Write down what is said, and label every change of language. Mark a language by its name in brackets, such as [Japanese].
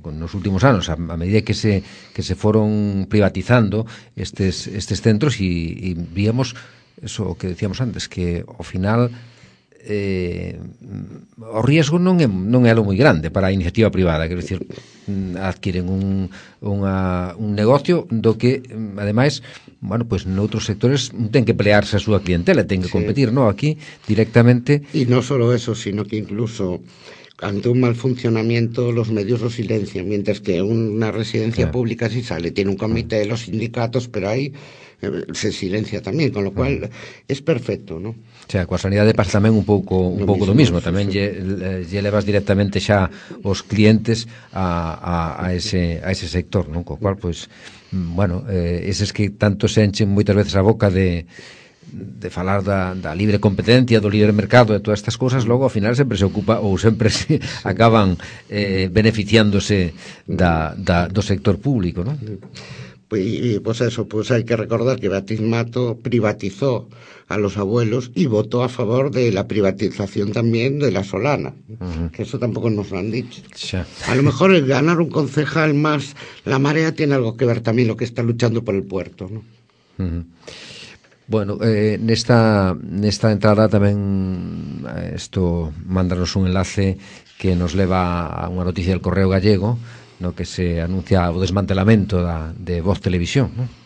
[Galician] Nos últimos anos, a medida que se foron privatizando estes centros e víamos eso que decíamos antes, que ao final o riesgo non é lo moi grande para a iniciativa privada, quero dicir, adquiren un negocio do que, ademais, bueno, pois noutros sectores ten que pelearse a súa clientela, ten que competir, ¿no? Aquí directamente. [Spanish] E non solo eso, sino que incluso ante un mal funcionamiento los medios lo silencian, mientras que una residencia pública sí sale, tiene un comité de los sindicatos, pero ahí se silencia también, con lo cual es perfecto, ¿no? [Galician] O sea, coa sanidade pasa tamén un pouco do mismo, tamén lle levas directamente xa os clientes a ese sector, ¿no? Co cual, pues, bueno, eses que tanto se enchen moitas veces a boca de falar da libre competencia, do libre mercado e todas estas cousas, logo ao final sempre se ocupa ou sempre se acaban beneficiándose do sector público, non? [Spanish] Pois pues eso, pues [Galician] hai que recordar que [Spanish] Beatriz Mato privatizó a los abuelos y votó a favor de la privatización también de la Solana. Uh-huh. Que eso tampoco nos lo han dicho. Ya. A lo mejor el ganar un concejal más la marea tiene algo que ver también lo que está luchando por el puerto, ¿no? Uh-huh. [Galician] Bueno, nesta entrada tamén esto mándanos un enlace que nos leva a unha noticia del Correo Gallego, no que se anuncia o desmantelamento de Voz Televisión, ¿no?